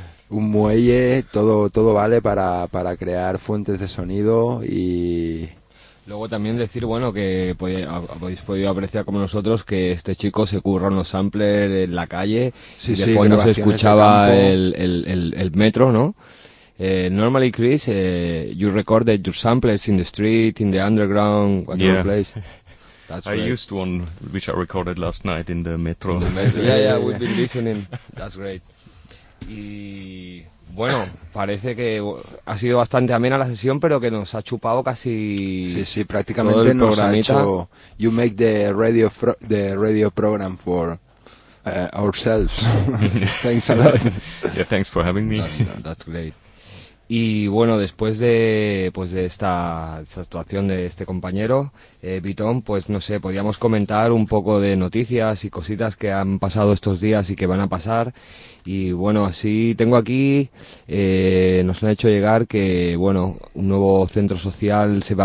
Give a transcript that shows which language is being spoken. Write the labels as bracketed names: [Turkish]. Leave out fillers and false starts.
[Spanish] Un muelle, todo vale para crear fuentes de sonido y... Luego también decir, bueno, que habéis podido apreciar como nosotros que este chico se curra unos samplers en la calle. Sí, y sí, después no se escuchaba el metro, ¿no? [English] Normally, Chris, you recorded your samplers in the street, in the underground, whatever place. That's I used one, which I recorded last night in the metro. In the metro. Yeah, we've been listening. That's great. [Spanish] Y bueno, parece que ha sido bastante amena la sesión, pero que nos ha chupado casi. Sí, prácticamente todo el nos programita. Ha hecho. [English] You make the radio program for ourselves. Thanks a lot. Yeah, thanks for having me. That's great. [Spanish] Y bueno, después de esta actuación de este compañero, Bitón, pues no sé, podíamos comentar un poco de noticias y cositas que han pasado estos días y que van a pasar. Y bueno, así tengo aquí, nos han hecho llegar que, bueno, un nuevo centro social